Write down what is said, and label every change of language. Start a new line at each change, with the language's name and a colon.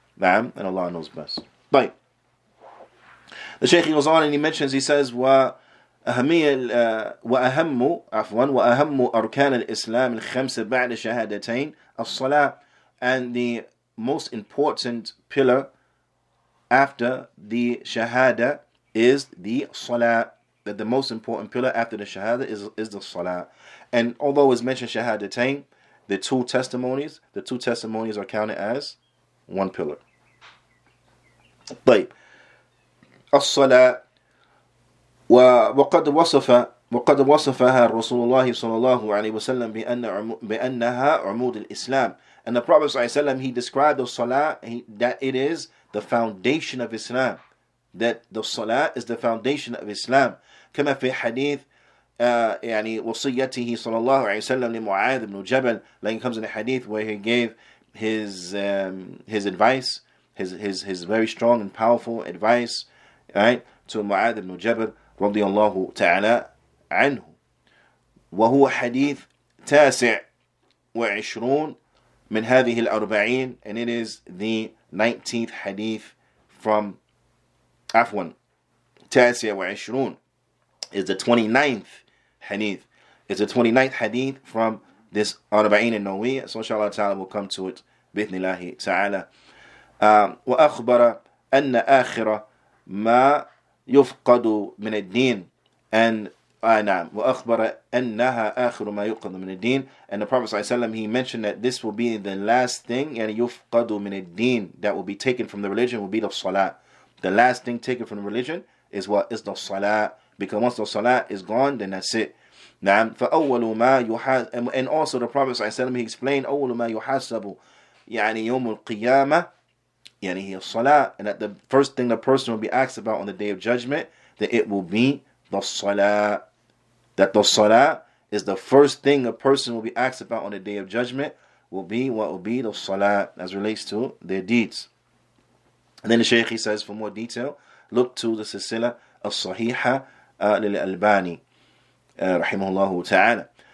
English: Ma'am, and Allah knows best. But the Shaykh goes on and he mentions, he says,
Arabic: وأهم أركان الإسلام الخمسة بعد شهادتين الصلاة,
English: and the most important pillar after the shahada is the salah. that the most important pillar after the Shahada is the Salah. And although it's mentioned Shahadatain, the two testimonies are counted as one pillar.
Arabic: طيب الصلاة وقد وصفها رسول الله صلى الله عليه وسلم بأنها عمود الإسلام.
English: And the Prophet صلى الله عليه وسلم, he described the Salah, that it is the foundation of Islam. That the Salah is the foundation of Islam.
Arabic: كما في حديث يعني وصيته صلى الله عليه وسلم لمعاذ بن جبل.
English: Like it comes in a hadith where he gave his advice, his very strong and powerful advice, right, to Mu'adh ibn Jabal رضي الله تعالى عنه.
Arabic: وهو حديث تاسع وعشرون من هذه الأربعين.
English: And it is the 19th hadith from Afwan.
Arabic: تاسع وعشرون
English: is the 29th hadith. It's the 29th hadith from this أربعين النووية. So inshallah ta'ala will come to it
Arabic: بإذن الله تعالى. وأخبر أن آخر ما يفقد من الدين أن نعم وأخبر أنها آخر ما يفقد من الدين.
English: And the Prophet صلى الله عليه وسلم, he mentioned that this will be the last thing,
Arabic: يعني يفقد من الدين,
English: that will be taken from the religion, will be the salah. The last thing taken from the religion is what? Is the salah. Because once the salah is gone, then that's it.
Arabic: نعم فأول ما يحاس,
English: and also the Prophet
Arabic: صلى الله عليه وسلم,
English: he explained
Arabic: أول ما يحاسب يعني يوم القيامة يعني هي الصلاة.
English: And that the first thing the person will be asked about on the Day of Judgment, that it will be the Salah. That the Salah is the first thing a person will be asked about on the Day of Judgment, will be what will be the Salah as relates to their deeds. And then the Shaykh, he says, for more detail, look to the Silsila al-Sahiha lil-Albani rahimahullahu ta'ala.